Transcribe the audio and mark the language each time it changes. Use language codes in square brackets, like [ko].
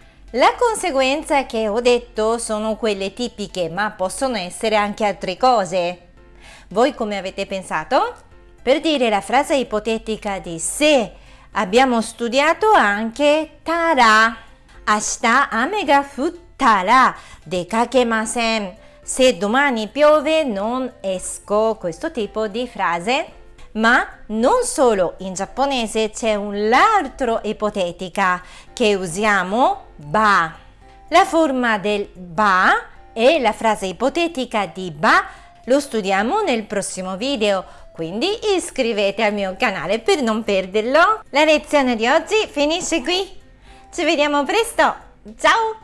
[it] La conseguenza che ho detto sono quelle tipiche, ma possono essere anche altre cose. Voi come avete pensato? Per dire la frase ipotetica di se, abbiamo studiato anche tara. [ja] 明日雨が降ったら出かけません。 [it] Se domani piove non esco。 Questo tipo di frase。 Ma non solo in giapponese c'è un'altra ipotetica che usiamo, ba. La forma del ba e la frase ipotetica di ba lo studiamo nel prossimo video, quindi iscrivetevi al mio canale per non perderlo. La lezione di oggi finisce qui. Ci vediamo presto! Ciao!